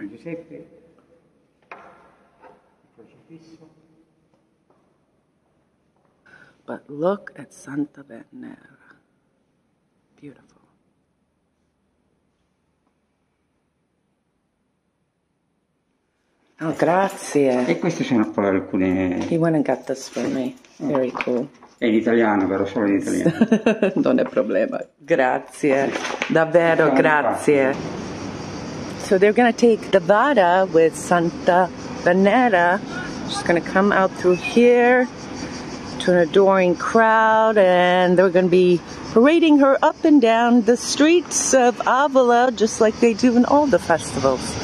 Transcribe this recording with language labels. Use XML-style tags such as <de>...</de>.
<it>San Giuseppe, il crocifisso.</it> <en>But look at Santa Venera, beautiful.</en> <it>Oh, grazie. E queste sono poi alcune...</it> <en>He went and got this for me. Very cool.</en> <it>È in italiano, però solo in italiano. Non è problema. Grazie. Davvero, grazie.</it> <en>So they're going to take the vara with Santa Venera. She's going to come out through here to an adoring crowd, and they're going to be parading her up and down the streets of Avola, just like they do in all the festivals.</en>